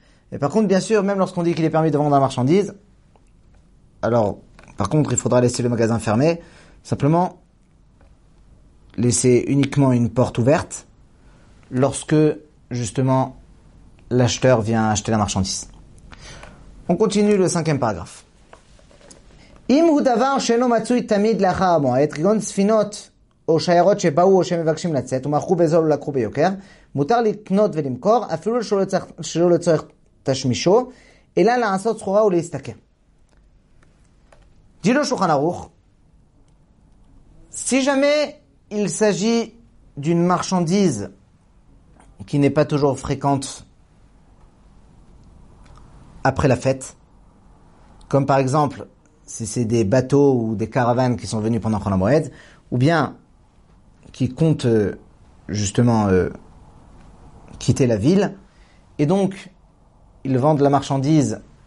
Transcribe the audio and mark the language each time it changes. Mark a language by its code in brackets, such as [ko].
[fr] Et par contre, bien sûr, même lorsqu'on dit qu'il est permis de vendre la marchandise, alors, par contre, il faudra laisser le magasin fermé, simplement, laisser uniquement une porte ouverte, lorsque, justement, l'acheteur vient acheter la marchandise. On continue le 5e paragraphe. [he] אם הוא דבר שאינו מצוי תמיד לאחר המועד, כגון ספינות או שיירות שבאו או שמבקשים לצאת, ומאחרו בזול ולקחו ביוקר, מותר לקנות ולמכור, אפילו שלא לצורך תשמישו, אלא לעשות סחורה ולהסתכר. דילו שולחן ערוך, [fr] si jamais il s'agit d'une marchandise qui n'est pas toujours fréquente après la fête, comme par exemple si c'est des bateaux ou des caravanes qui sont venus pendant Chol HaMoed, ou bien qui comptent justement quitter la ville, et donc ils vendent la marchandise